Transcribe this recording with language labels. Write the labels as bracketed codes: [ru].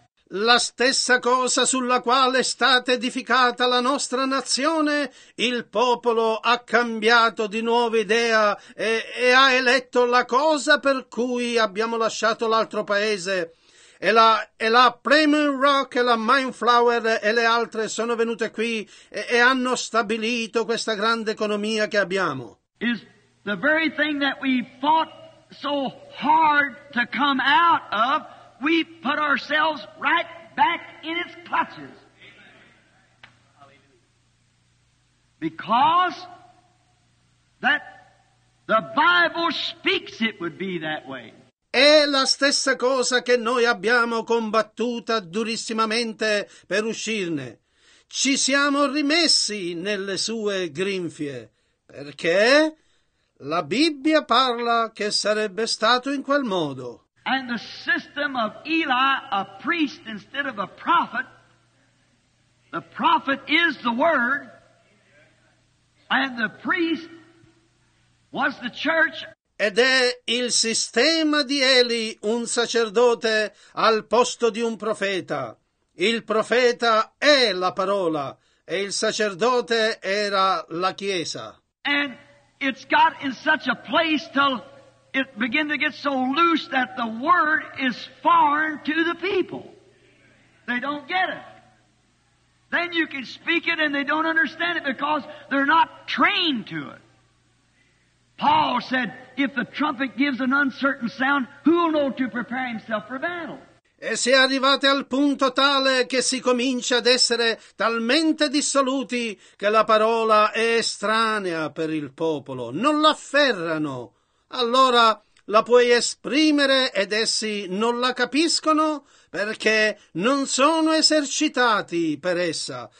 [it] La stessa cosa sulla quale è stata edificata la nostra nazione, il popolo ha cambiato di nuovo idea e ha eletto la cosa per cui abbiamo lasciato l'altro paese. E la Plymouth Rock e la Mayflower e le altre sono venute qui e hanno stabilito questa grande economia che abbiamo. [en] Is the very thing that we fought so hard to come out of. We put ourselves right back in its clutches. Because that the Bible speaks it would be that way. [it] È la stessa cosa che noi abbiamo combattuta durissimamente per uscirne. Ci siamo rimessi nelle sue grinfie, perché la Bibbia parla che sarebbe stato in quel modo. [en] And the system of Eli, a priest instead of a prophet, the prophet is the word, and the priest was the church. [it] Ed è il sistema di Eli, un sacerdote, al posto di un profeta. Il profeta è la parola, e il sacerdote era la chiesa. [en] And it's got in such a place till it began to get so loose that the word is foreign to the people. They don't get it. Then you can speak it and they don't understand it because they're not trained to it. Paul said, if the trumpet gives an uncertain sound, who will know to prepare himself for battle? [it] E si è arrivati al punto tale che si comincia ad essere talmente dissoluti che la parola è estranea per il popolo, non l'afferrano. Allora la puoi esprimere ed essi non la capiscono perché non sono esercitati per essa.